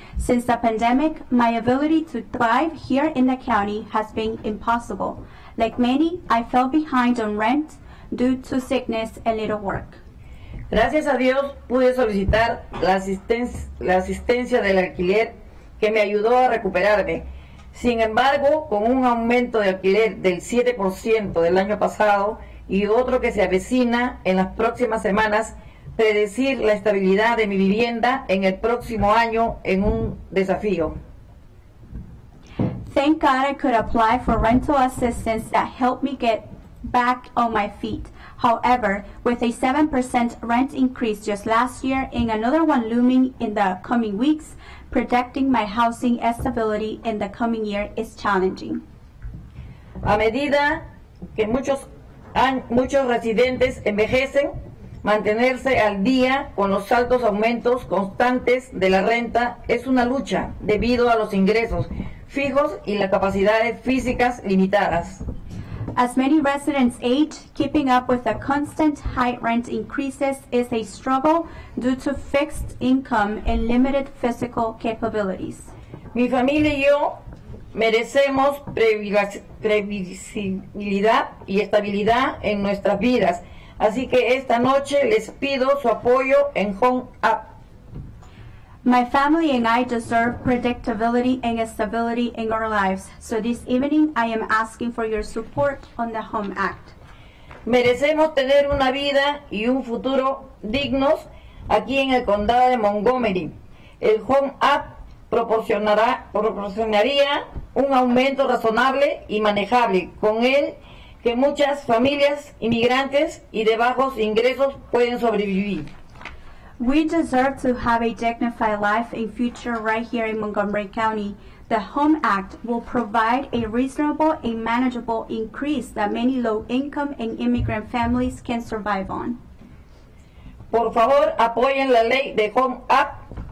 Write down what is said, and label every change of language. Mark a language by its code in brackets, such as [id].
[en] Since the pandemic, my ability to thrive here in the county has been impossible. Like many, I fell behind on rent due to sickness and little work. [es] Gracias a Dios, pude solicitar la asistencia del alquiler que me ayudó a recuperarme. Sin embargo, con un aumento de alquiler del 7% del año pasado y otro que se avecina en las próximas semanas, predecir la estabilidad de mi vivienda en el próximo año es un desafío. [en] Thank God I could apply for rental assistance that helped me get back on my feet. However, with a 7% rent increase just last year and another one looming in the coming weeks, protecting my housing stability in the coming year is challenging. [es] A medida que muchos residentes envejecen, mantenerse al día con los altos aumentos constantes de la renta es una lucha debido a los ingresos fijos y las capacidades físicas limitadas. [en] As many residents age, keeping up with the constant high rent increases is a struggle due to fixed income and limited physical capabilities. [es] Mi familia y yo merecemos previsibilidad y estabilidad en nuestras vidas. Así que esta noche les pido su apoyo en Home Up. [en] My family and I deserve predictability and stability in our lives. So this evening, I am asking for your support on the HOME Act. [es] Merecemos tener una vida y un futuro dignos aquí en el condado de Montgomery. El HOME Act proporcionaría un aumento razonable y manejable, con el que muchas familias inmigrantes y de bajos ingresos pueden sobrevivir. [en] We deserve to have a dignified life in future right here in Montgomery County. The HOME Act will provide a reasonable and manageable increase that many low-income and immigrant families can survive on. [es] Por favor, apoyen la ley de HOME Act.